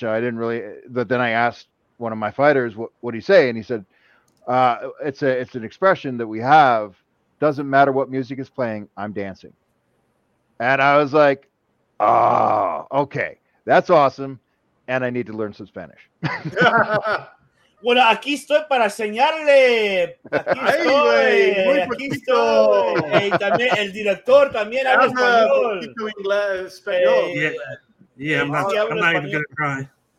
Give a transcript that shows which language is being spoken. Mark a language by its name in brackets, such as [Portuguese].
[English] So I didn't really, but then I asked one of my fighters, what'd he say? And he said, it's an expression that we have. Doesn't matter what music is playing. I'm dancing. And I was like, oh, okay. That's awesome. And I need to learn some Spanish. [Spanish] Bueno, aquí estoy para enseñarle. Aquí estoy. Hey, aquí poquito. Estoy. Hey, también el director también habla español. Inglés, español. Hey. [English] Yeah, I'm not even going to cry.